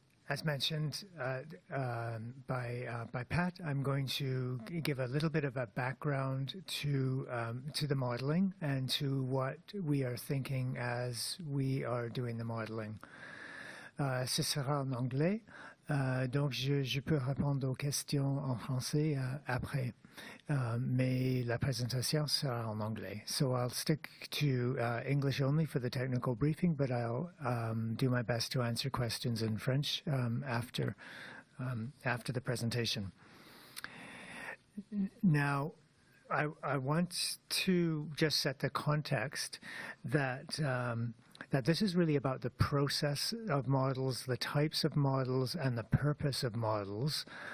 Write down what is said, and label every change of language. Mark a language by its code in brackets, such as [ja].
[en] As mentioned by Pat, I'm going to give a little bit of a background to the modeling and to what we are thinking as we are doing the modeling. [fr] Ce sera en anglais, donc je peux répondre aux questions en français après, mais la présentation sera en anglais. [en] So I'll stick to English only for the technical briefing, but I'll do my best to answer questions in French after the presentation. Now, I want to just set the context that that this is really about the process of models, the types of models, and the purpose of models.